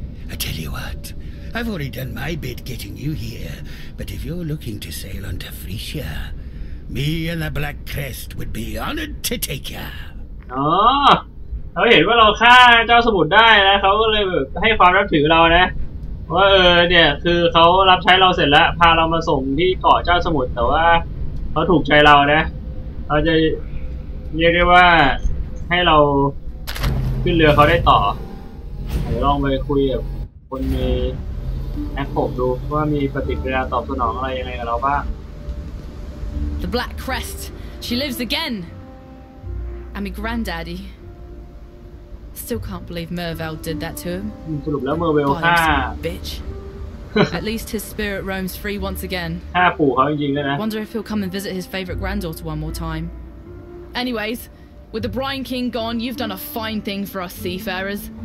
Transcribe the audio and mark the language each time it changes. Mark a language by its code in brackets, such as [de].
[en] I tell you what, I've already done my bit getting you here, but if you're looking to sail on to Frisia, me and the Black Crest would be honored to take you. [th] Oh, เขาเห็นว่าเราฆ่าเจ้าสมุทรได้นะเขาก็เลยให้ความรับถือเรานะว่าเนี่ยคือเขารับใช้เราเสร็จแล้วพาเรามาส่งที่เกาะเจ้าสมุทรแต่ว่าเขาถูกใจเรานะเราจะเรียกได้ว่าให้เราขึ้นเรือเขาได้ต่อเดี๋ยวลองไปคุยกับคนมีแอคโคดูว่ามีปฏิกิริยาตอบสนองอะไรยังไงกับเราบ้าง [en] The Black Crest she lives again I'm a granddaddy still can't believe Mervel did that to him [th] สรุปแล้วเมอร์เวลฆ่า [en] bitch at least his spirit roams free once again [th] ฆ่าปู่เขาจริงๆเลยนะ [en] wonder if he'll come and visit his favorite granddaughter one more timeAnyways, with the Brine King gone, you've done a fine thing for us seafarers.